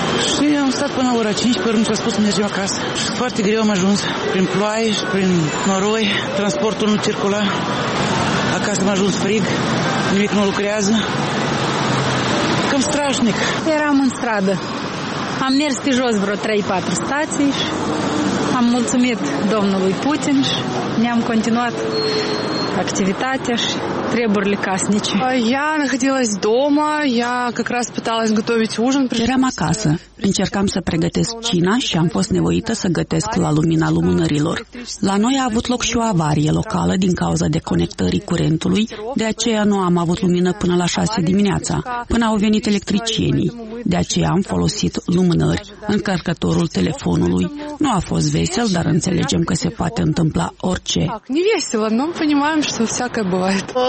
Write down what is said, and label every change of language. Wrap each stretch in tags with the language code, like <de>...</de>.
<ro>Și am stat până la ora 5, pe urmă și a spus să mergem acasă. Foarte greu am ajuns, prin ploaie și prin noroi, transportul nu circula, acasă am ajuns frig, nimic nu lucrează, cam strașnic. Eram în stradă, am mers pe jos vreo 3-4 stații și am mulțumit domnului Putin și ne-am continuat activitatea și treburile casnice.</ro> <ru>Я находилась дома, я как раз пыталась готовить ужин.</ru> <ro>Eram acasă, încercam să pregătesc cina și am fost nevoită să gătesc la lumina lumânărilor. La noi a avut loc și o avarie locală din cauza deconectării curentului, de aceea nu am avut lumină până la 6 dimineața, până au venit electricienii. De aceea am folosit lumânări, încărcătorul telefonului. Nu a fost vesel, dar înțelegem că se poate întâmpla orice.</ro> <ru>Не весело, но понимаем, что всякое бывает.</ru>